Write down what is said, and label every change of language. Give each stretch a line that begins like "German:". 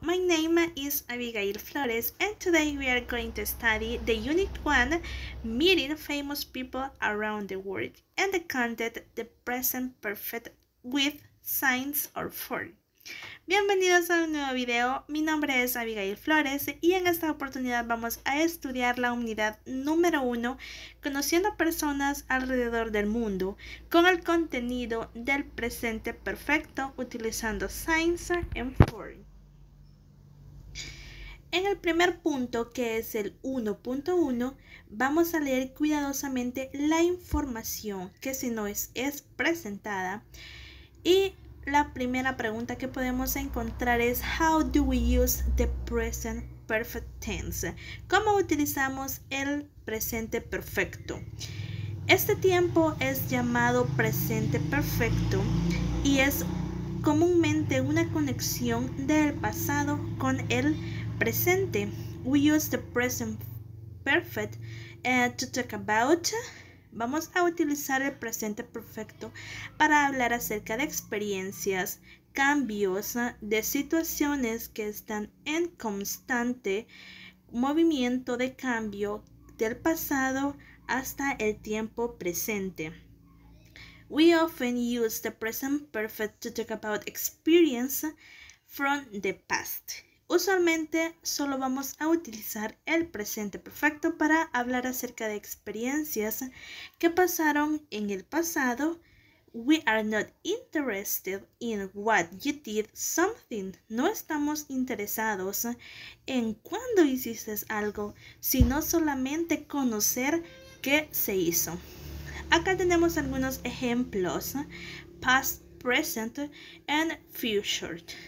English: My name is Abigail Flores and today we are going to study the Unit 1, Meeting Famous People Around the World and the content, the present perfect with signs or form.
Spanish: Bienvenidos a un nuevo video, mi nombre es Abigail Flores y en esta oportunidad vamos a estudiar la unidad número 1, conociendo personas alrededor del mundo, con el contenido del presente perfecto utilizando
English: signs and forms.
Spanish: En el primer punto, que es el 1.1, vamos a leer cuidadosamente la información que si no es presentada y la primera pregunta que podemos encontrar es
English: How do we use the present perfect tense?
Spanish: ¿Cómo utilizamos el presente perfecto? Este tiempo es llamado presente perfecto y es comúnmente una conexión del pasado con el presente.
English: We use the present perfect to talk about.
Spanish: Vamos a utilizar el presente perfecto para hablar acerca de experiencias, cambios, de situaciones que están en constante movimiento de cambio del pasado hasta el tiempo presente.
English: We often use the present perfect to talk about experience from the past.
Spanish: Usualmente solo vamos a utilizar el presente perfecto para hablar acerca de experiencias que pasaron en el pasado.
English: We are not interested in what you did something.
Spanish: No estamos interesados en cuándo hiciste algo, sino solamente conocer qué se hizo. Acá tenemos algunos ejemplos:
English: past, present and future.